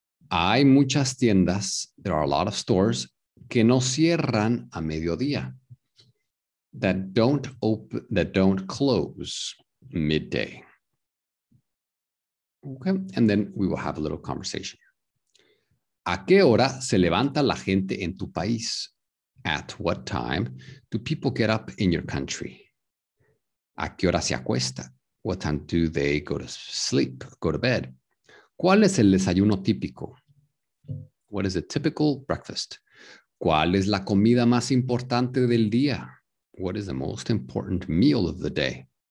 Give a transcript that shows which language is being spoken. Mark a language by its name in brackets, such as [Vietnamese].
[Spanish] Hay muchas tiendas, [English] there are a lot of stores, [Spanish] que no cierran a mediodía, [English] that don't open, that don't close midday. Okay, and then we will have a little conversation. [Spanish] ¿A qué hora se levanta la gente en tu país? [English] At what time do people get up in your country? [Spanish] ¿A qué hora se acuesta? [English] What time do they go to sleep, go to bed? [Spanish] ¿Cuál es el desayuno típico? [English] What is a typical breakfast? [Spanish] ¿Cuál es la comida más importante del día? [English] What is the most important meal of the day?